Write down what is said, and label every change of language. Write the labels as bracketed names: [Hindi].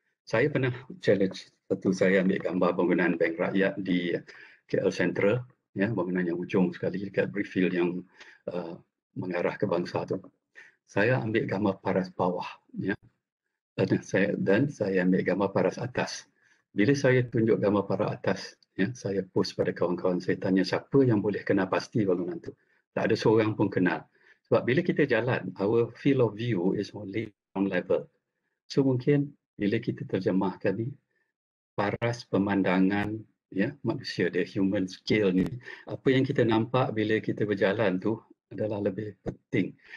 [Malay] Saya pernah challenge satu, saya ambil gambar bangunan Bank Rakyat di KL Central ya, bangunan yang ujung sekali dekat Brickfield yang mengarah ke Bangsa tu. Saya ambil gambar paras bawah ya. Dan saya ambil gambar paras atas. Bila saya tunjuk gambar paras atas ya, saya post pada kawan-kawan, saya tanya siapa yang boleh kenal pasti bangunan tu. Tak ada seorang pun kenal. Sebab bila kita jalan, [English] our field of view is only on level. [Malay] So mungkin bila kita terjemahkan ni, paras pemandangan ya manusia, [English] the human scale [Malay] ni, apa yang kita nampak bila kita berjalan tu adalah lebih penting.